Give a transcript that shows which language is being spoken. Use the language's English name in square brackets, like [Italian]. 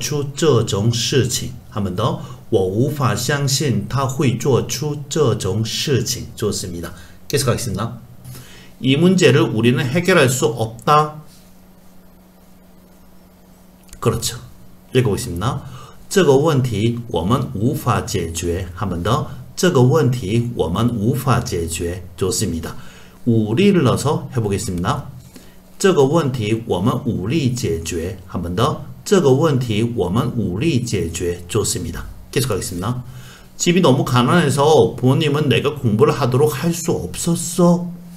[Chinese] 我无法相信他会做出这种事情. [Korean] 한 번 더. [Chinese] 我无法相信他会做出这种事情. [Korean] 좋습니다. 계속하겠습니다. 이 문제를 우리는 해결할 수 없다. 그렇죠. 읽어보겠습니다. [Chinese] 这个问题我们无法解决. [Korean] 한 번 더. [Chinese] 这个问题我们无法解决. [Korean] 좋습니다. 우리를 넣어서 해보겠습니다. [Chinese] 这个问题我们无力解决. [Korean] 한 번 더. [Chinese] 这个问题我们无力解决. [Korean] 좋습니다. 계속하겠습니다. 집이 너무 가난해서 부모님은 내가 공부를 하도록 할 수 없었어.